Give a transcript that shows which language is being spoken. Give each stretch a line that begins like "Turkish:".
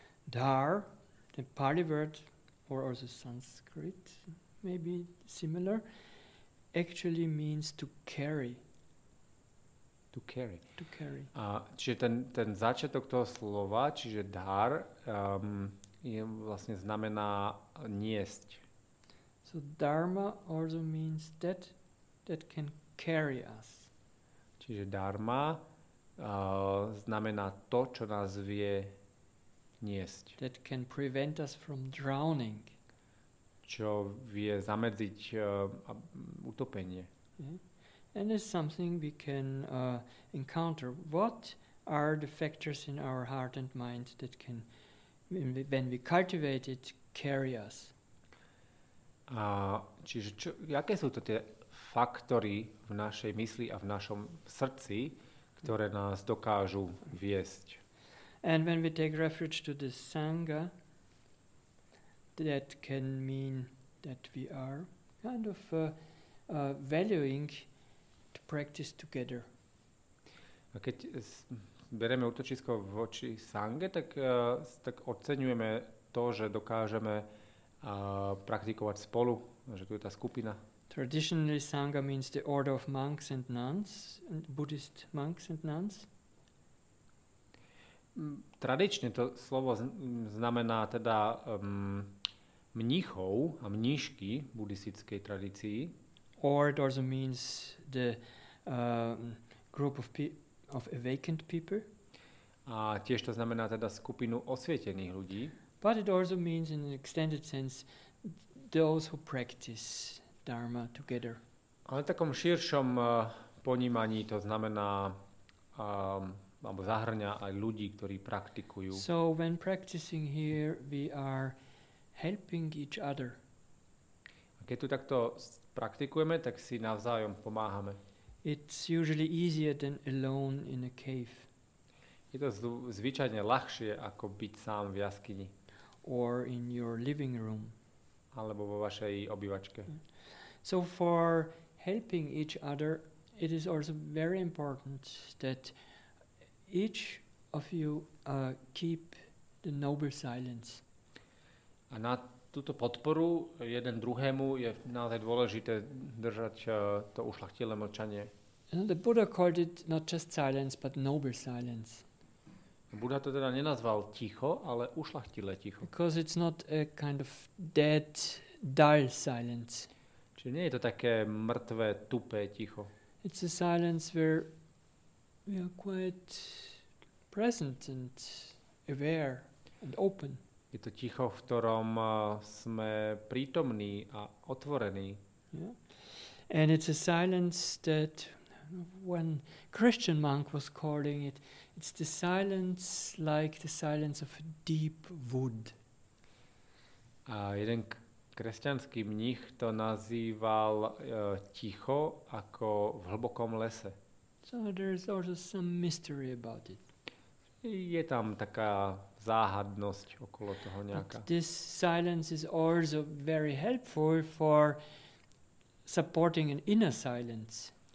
English: Dhar, the Pali word, or also Sanskrit, maybe similar, actually means to carry. To carry. To carry.
Slovak: Čiže ten začiatok toho slova, čiže dhar, je vlastne znamená niesť.
English: So dharma also means that can carry us.
Slovak: Čiže dharma znamená to, čo nás vie niesť.
English: That can prevent us from drowning.
Slovak: Čo vie zamedziť utopenie.
English: Yeah. And it's something we can encounter. What are the factors in our heart and mind that can, when we cultivate it, carry us?
Slovak: Čiže, aké sú to tie faktory v našej mysli a v našom srdci, ktoré nás dokážu viesť?
English: And when we take refuge to the Sangha, that can mean that we are kind of valuing the practice together.
Slovak: A keď bereme útočisko voči sange, tak oceňujeme to, že dokážeme praktikovať spolu, že tu je tá skupina.
English: Traditionally, sangha means the order of monks and nuns, and Buddhist monks and nuns.
Slovak: Tradične to slovo znamená teda mníchov a mníšky buddhistickej tradícii.
English: Or it also means the group of awakened people.
Slovak: A tiež to znamená teda skupinu osvietených ľudí.
English: But it also means in an extended sense those who practice dharma together.
Slovak: Ale v takom širšom ponímaní to znamená alebo zahŕňa aj ľudí, ktorí praktikujú.
English: So when practicing here we are helping each other.
Slovak: A keď tu takto praktikujeme, tak si navzájom pomáhame.
English: It's usually easier than alone in a cave.
Slovak: Je to zvyčajne ľahšie ako byť sám v jaskyni.
English: Or in your living room.
Slovak: Alebo vo vašej obývačke.
English: So for helping each other, it is also very important that each of you keep the noble silence.
Slovak: A na túto podporu jeden druhému je naozaj dôležité držať to ušlachtilé mlčanie.
English: The Buddha called it not just silence, but noble silence.
Slovak: Buddha to teda nenazval ticho, ale ušlachtilé ticho.
English: Because it's not a kind of dead, dull silence.
Slovak: Čiže nie je to také mŕtve, tupé ticho.
English: It's a silence where we are quite present and aware and open.
Slovak: Je to ticho, v ktorom sme prítomní a otvorení.
English: Yeah. And it's a silence that When Christian monk was calling it, it's the silence like the silence of deep wood.
Czech: A jeden křesťanský mnich to nazýval ticho jako v hlbokém lese.
English: So there's also some mystery about it.
Slovak: Je tam taká záhadnost okolo toho nějaká.
English: But this silence is also very helpful for supporting an inner silence.